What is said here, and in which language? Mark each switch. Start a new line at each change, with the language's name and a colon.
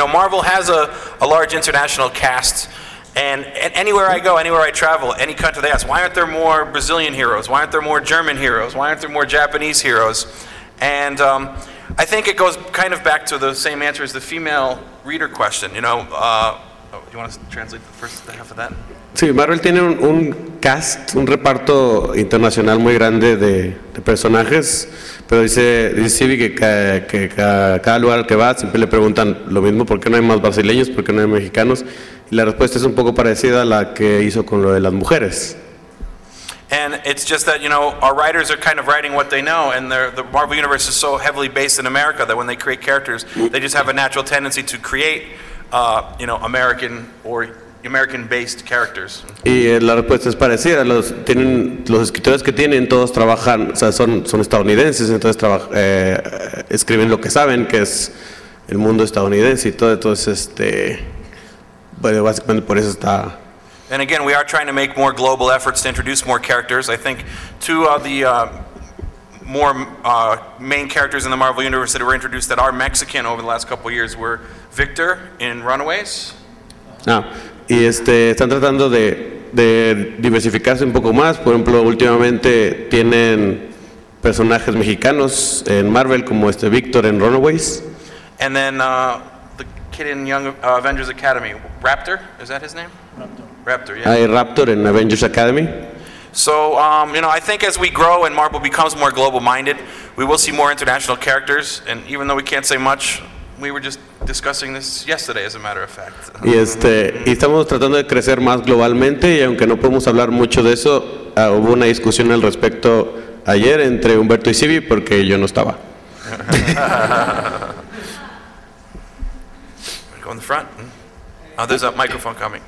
English: You know, Marvel has a large international cast. And anywhere I go, anywhere I travel, any country they ask, why aren't there more Brazilian heroes? Why aren't there more German heroes? Why aren't there more Japanese heroes? And I think it goes kind of back to the same answer as the female reader question. You know, do you want to translate the first half of that?
Spanish: Sí, Marvel tiene un cast, un reparto internacional muy grande de personajes, pero dice Civi que cada lugar al que va siempre le preguntan lo mismo, ¿por qué no hay más brasileños? ¿Por qué no hay mexicanos? La respuesta es un poco parecida a la que hizo con lo de las mujeres.
English: And it's just that, you know, our writers are kind of writing what they know, and the Marvel Universe is so heavily based in America that when they create characters, they just have a natural tendency to create, you know, American or American-based characters.
Spanish: Y la respuesta es parecida. Los escritores que tienen todos trabajan, o sea, son estadounidenses, entonces escriben lo que saben, que es el mundo estadounidense y todo. Entonces, básicamente por eso está.
English: And again, we are trying to make more global efforts to introduce more characters. I think two of the more main characters in the Marvel Universe that were introduced that are Mexican over the last couple of years were Victor in Runaways.
Spanish: Ah, y están tratando de diversificarse un poco más. Por ejemplo, últimamente tienen personajes mexicanos en Marvel como Victor en Runaways.
English: And then the kid in Young Avengers Academy, Raptor, is that his name? Raptor, yeah.
Spanish: Hay Raptor in Avengers Academy.
English: So, you know, I think as we grow and Marvel becomes more global-minded, we will see more international characters. And even though we can't say much, we were just discussing this yesterday, as a matter of fact.
Spanish: Y y estamos tratando de crecer más globalmente, y aunque no podemos hablar mucho de eso, hubo una discusión al respecto ayer entre Humberto y Civi, porque yo no estaba.
English: Go in the front. Oh, there's a microphone coming.